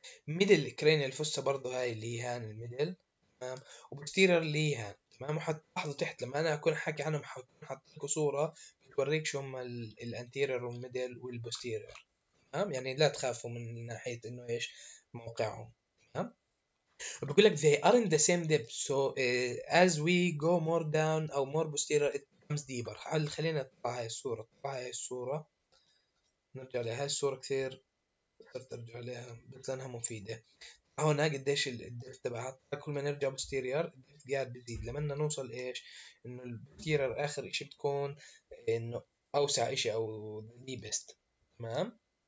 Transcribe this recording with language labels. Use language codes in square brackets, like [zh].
[ar] middle cranial fossa برضه هاي اللي هي هان الميدل تمام، وبكتيرر اللي هي هان تمام. وحتلاحظوا تحت لما انا اكون حاكي عنهم حاطط لكم صوره بتوريك شو هم الانتيرير والميدل والبوستيرير تمام. تمام، يعني لا تخافوا من ناحية إنه إيش موقعهم، تمام. بقول لك [en] they are in the same depth so as we go more down [ar] أو [en] more posterior it becomes deeper. [ar] خلينا نطلع هاي الصورة، نطلع هاي الصورة، نرجع لها. هاي الصورة كثير صرت أرجع لها بس لأنها مفيدة. هنا قديش الدبث تبعها، كل ما نرجع بوستيريور الدبث قاعد بزيد، لما نوصل ايش انه البوستيريور اخر اشي بتكون انه اوسع اشي او ذا ديبست، تمام.